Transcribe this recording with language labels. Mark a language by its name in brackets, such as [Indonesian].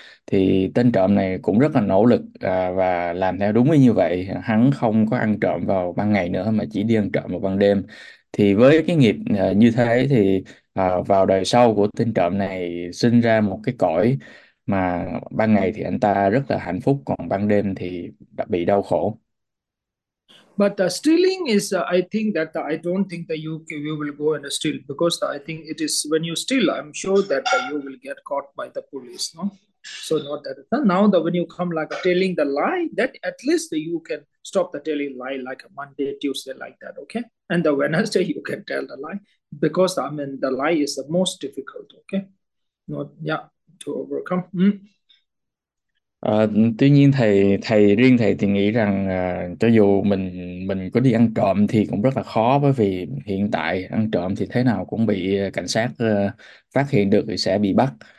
[Vietnamese] Thì tên trộm này cũng rất là nỗ lực và làm theo đúng như vậy, hắn không có ăn trộm vào ban ngày nữa mà chỉ đi ăn trộm vào ban đêm. Thì với cái nghiệp như thế thì vào đời sau của tên trộm này sinh ra một cái cõi mà ban ngày thì anh ta rất là hạnh phúc, còn ban đêm thì bị đau khổ. [English] But the stealing is, I think that I don't think that you will go and steal because I think it is when you steal, I'm sure that you will get caught by the police, no? So not that. Now that when you come like telling the lie, that at least you can stop the telling lie like a Monday, Tuesday, like that. Okay. And the Wednesday you can tell the lie, because I mean the lie is the most difficult. Okay. Not yeah to overcome. [Vietnamese] Tuy nhiên thầy riêng thầy thì nghĩ rằng cho dù mình có đi ăn trộm thì cũng rất là khó, bởi vì hiện tại ăn trộm thì thế nào cũng bị cảnh sát phát hiện được thì sẽ bị bắt.